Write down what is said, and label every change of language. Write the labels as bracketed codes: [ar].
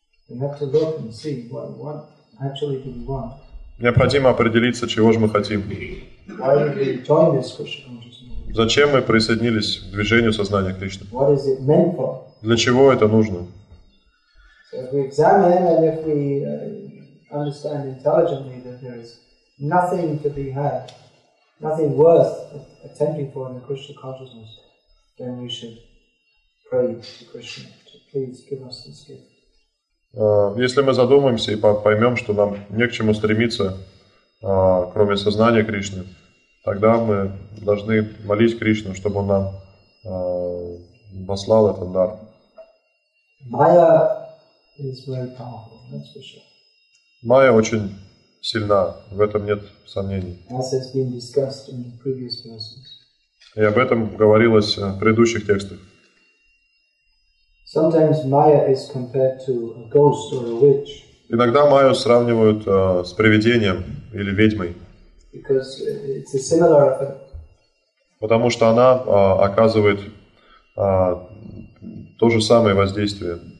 [en] We have to look and see what actually do we want. [ru] Необходимо определиться, чего же мы хотим. [en] Why did we join this Krishna consciousness? [ru] Зачем мы присоединились к движению сознания Кришны? [en] What is it meant for? [ru] Для чего это нужно? [en] So if we examine and if we understand intelligently that there is nothing to be had, nothing worth attempting for in the Krishna consciousness, then we should pray to Krishna to please give us this gift. [ru] Если мы задумаемся и поймем, что нам не к чему стремиться, кроме сознания Кришны, тогда мы должны молить Кришну, чтобы Он нам послал этот дар. [en] Майя is very powerful, that's for sure. [ru] Майя очень сильна, в этом нет сомнений. [en] As has been discussed in the previous verses. [ru] И об этом говорилось в предыдущих текстах. [en] Sometimes Maya is compared to a ghost or a witch. [ru] Иногда Майю сравнивают с привидением или ведьмой. [en] Because it's a similar effect. [ru] Потому что она оказывает то же самое воздействие.